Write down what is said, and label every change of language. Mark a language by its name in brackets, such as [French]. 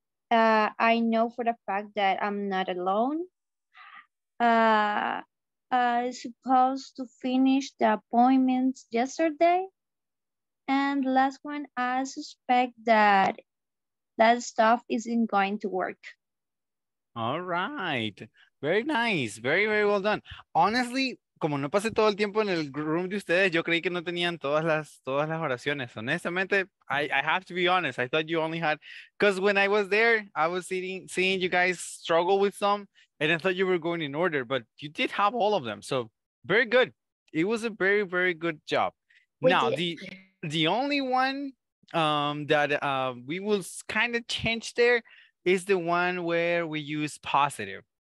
[English] I know for the fact that I'm not alone. I supposed to finish the appointments yesterday. And last one, I suspect that that stuff isn't going to work. All right. Very nice. Very, very well done. [Spanish] Honestly, como no pasé todo el tiempo en el room de ustedes, yo creí que no tenían todas las oraciones. [English] Honestamente, I have to be honest. I thought you only had, because when I was there, I was seeing you guys struggle with some, and I thought you were going in order, but you did have all of them. So very good. It was a very, very good job. The only one that we will kind of change there is the one where we use positive.